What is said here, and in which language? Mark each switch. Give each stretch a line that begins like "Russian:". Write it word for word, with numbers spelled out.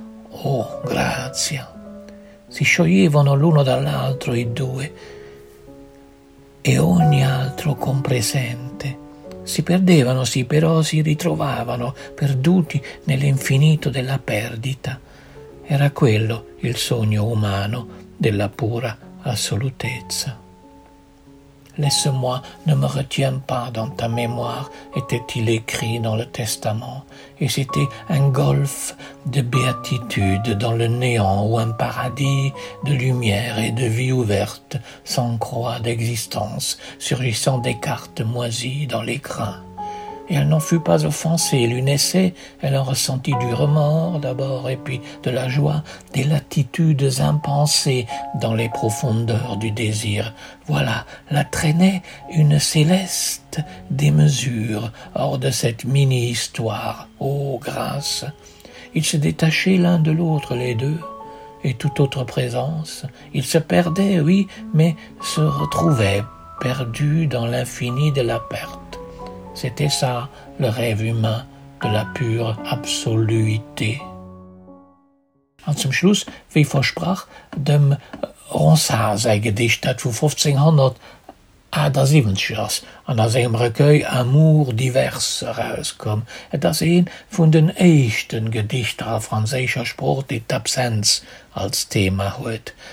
Italian: Oh, grazia! Si scioglievano l'uno dall'altro i due e ogni altro compresente. Si perdevano, sì, però si ritrovavano, perduti nell'infinito della perdita. Era quello il sogno umano della pura assolutezza.
French: Laisse-moi, ne me retiens pas dans ta mémoire, était-il écrit dans le testament, et c'était un golfe de béatitude dans le néant ou un paradis de lumière et de vie ouverte, sans croix d'existence, surgissant des cartes moisies dans l'écran. Et elle n'en fut pas offensée, l'une essai, elle en ressentit du remords d'abord et puis de la joie, des latitudes impensées dans les profondeurs du désir. Voilà, la traînait une céleste démesure hors de cette mini-histoire. Oh, grâce! Ils se détachaient l'un de l'autre, les deux, et toute autre présence. Ils se perdaient, oui, mais se retrouvaient, perdus dans l'infini de la perte. C'était ça, le rêve humain de la pure Absoluité.
German: Und zum Schluss, wie versprach, dem Ronsard sein Gedicht, das von fünfzehnhundertachtundsiebzig ist, und aus seinem Recueil Amour divers herauskommt. Das ist ein von den ersten Gedichten auf französischer Sprache, die Absenz als Thema hat.